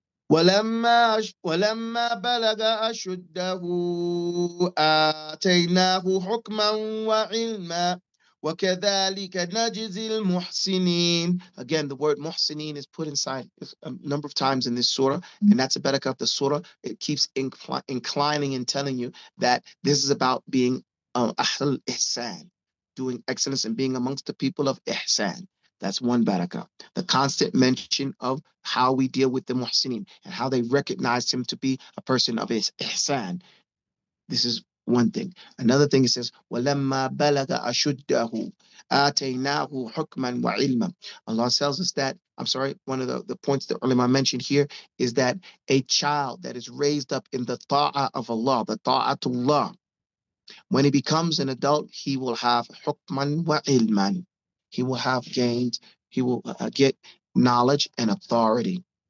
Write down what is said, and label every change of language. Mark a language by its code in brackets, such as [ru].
[ar] ولما بلغ أشده آتيناه حكما وعلما. وكذلك نجزي المحسنين. [en] Again, the word muhsinin is put inside a number of times in this surah, and that's a barakah of the surah. It keeps inclining and telling you that this is about being ahl ihsan, doing excellence and being amongst the people of ihsan. That's one barakah. The constant mention of how we deal with the muhsinin and how they recognize him to be a person of ihsan. This is one thing. Another thing, it says, [ar] وَلَمَّا بَلَغَ أَشُدَّهُ آتَيْنَاهُ حُكْمًا وَعِلْمًا. [en] Allah tells us that, I'm sorry, one of the points that ulama mentioned here is that a child that is raised up in the ta'a of Allah, the ta'atullah, when he becomes an adult, he will have [ar] حُكْمًا وَعِلْمًا. [en] He will have gained, he will get knowledge and authority.